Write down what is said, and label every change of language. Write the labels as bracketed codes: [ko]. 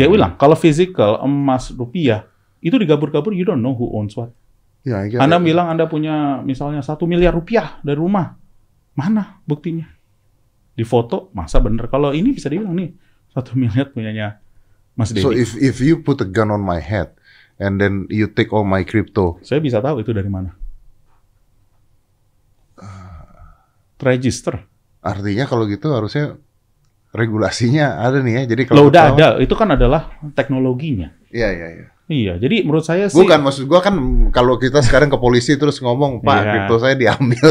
[id] Ya hilang. Kan? Kalau physical emas, rupiah, itu digabur-gabur [en] you don't know who owns what. [id] Ya, Anda bilang Anda punya misalnya 1 miliar rupiah dari rumah. Mana buktinya? Di foto, masa bener? Kalau ini bisa dibilang nih, 1 miliar punyanya Mas Deddy. [en] So if you put a gun on my head, and then you take all my crypto. [id] Saya bisa tahu itu dari mana. [en] Register. [id] Artinya kalau gitu harusnya regulasinya ada nih ya. Jadi kalau udah tahu, ada, itu kan adalah teknologinya. Iya. Iya, jadi menurut saya sih. Bukan, maksud gue kan kalau kita sekarang ke polisi terus ngomong, Pak, kripto saya diambil.